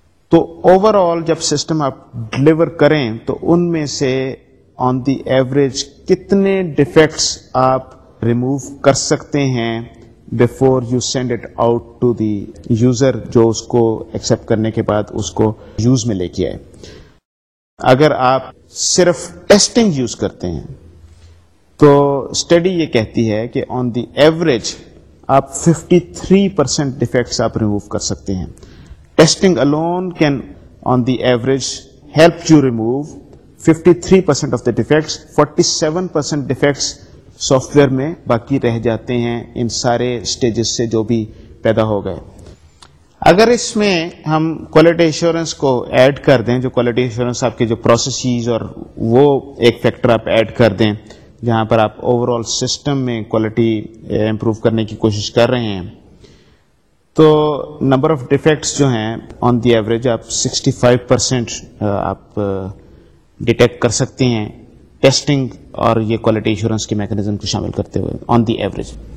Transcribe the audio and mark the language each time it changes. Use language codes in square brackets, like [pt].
[ur] تو over all جب system آپ ڈلیور کریں تو ان میں سے آن دی ایوریج کتنے ڈیفیکٹس آپ ریموو کر سکتے ہیں [en] before you send it out to the user, [ur] جو اس کو ایکسیپٹ کرنے کے بعد اس کو یوز میں لے کے آئے. اگر آپ صرف ٹیسٹنگ یوز کرتے ہیں تو اسٹڈی یہ کہتی ہے کہ آن دی ایوریج آپ 53% ڈیفیکٹس آپ ریموو کر سکتے ہیں. [en] Testing alone can on the average help you remove 53% of the defects. [ur] 47% defects soft where میں باقی رہ جاتے ہیں ان سارے اسٹیجز سے جو بھی پیدا ہو گئے. اگر اس میں ہم کوالٹی ایشورنس کو ایڈ کر دیں، جو کوالٹی ایشورنس آپ کے جو پروسیسز اور وہ ایک فیکٹر آپ ایڈ کر دیں جہاں پر آپ اوور آل سسٹم میں کوالٹی امپروو کرنے کی کوشش کر رہے ہیں، تو نمبر آف ڈیفیکٹس جو ہیں آن دی ایوریج آپ 65% آپ ڈیٹیکٹ کر سکتے ہیں ٹیسٹنگ اور یہ کوالٹی ایشورنس کے میکانزم کو شامل کرتے ہوئے آن دی ایوریج.